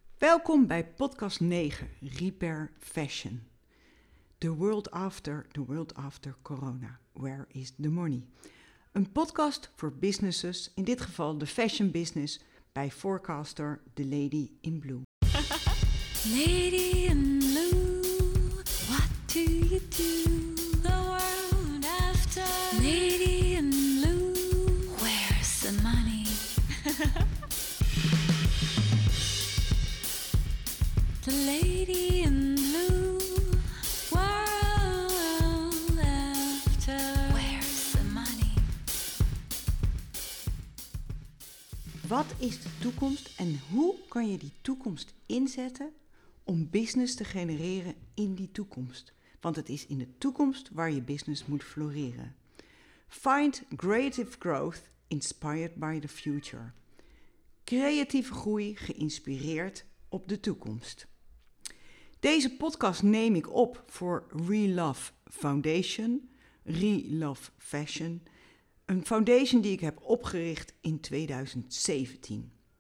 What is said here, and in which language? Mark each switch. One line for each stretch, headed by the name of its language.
Dutch: Welkom bij podcast 9, Repair Fashion.
English: The world after corona. Where is the money?
Dutch: Een podcast voor businesses, in dit geval de fashion business, bij forecaster The Lady in Blue.
English: Lady in blue, what do you do? The world after. Lady in blue, where's the money? The lady in blue, world after. Where's the money?
Dutch: Wat is de toekomst en hoe kan je die toekomst inzetten om business te genereren in die toekomst? Want het is in de toekomst waar je business moet floreren.
English: Find creative growth inspired by the future.
Dutch: Creatieve groei geïnspireerd op de toekomst. Deze podcast neem ik op voor ReLove Foundation, ReLove Fashion. Een foundation die ik heb opgericht in 2017.